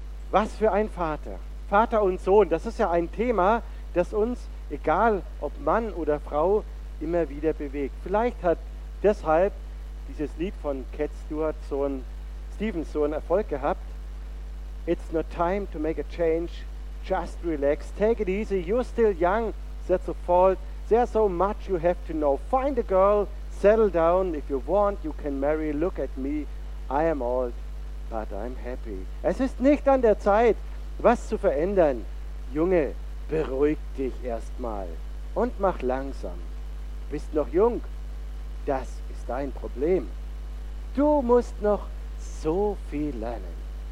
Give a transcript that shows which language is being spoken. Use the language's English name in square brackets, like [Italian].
[German] Was für ein Vater. Vater und Sohn, das ist ja ein Thema, das uns, egal ob Mann oder Frau, immer wieder bewegt. Vielleicht hat deshalb dieses Lied von Cat Stewart Sohn, Stephen Sohn Erfolg gehabt. [English] It's not time to make a change, just relax, take it easy, you're still young, that's a fault, there's so much you have to know, find a girl, settle down, if you want, you can marry, look at me, I am old, but I'm happy. [German] Es ist nicht an der Zeit, was zu verändern. Junge, beruhig dich erstmal und mach langsam. Du bist noch jung, das ist dein Problem. Du musst noch so viel lernen.